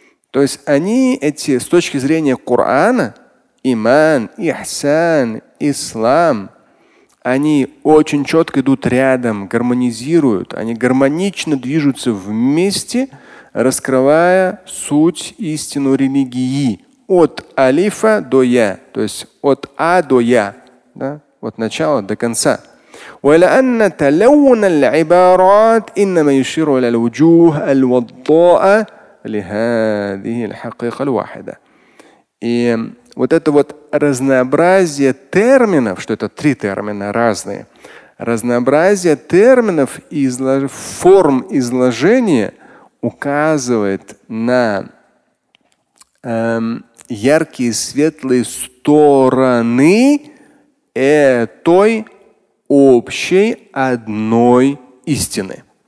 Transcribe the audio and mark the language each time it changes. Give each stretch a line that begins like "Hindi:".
Russian: То есть они эти, с точки зрения Корана, иман, ихсан, ислам, они очень четко идут рядом, гармонизируют, они гармонично движутся вместе, раскрывая суть, истину религии от алифа до я, то есть от а до я, да? От начала до конца.
Arabic: ولأن تلون العبارات إنما يشير إلى الوجوه الوضاء لهذه الحقيقة الواحدة.
Russian: И вот это вот разнообразие терминов, что это три термина разные, разнообразие терминов и форм изложения указывает на яркие светлые стороны этой общей одной истины.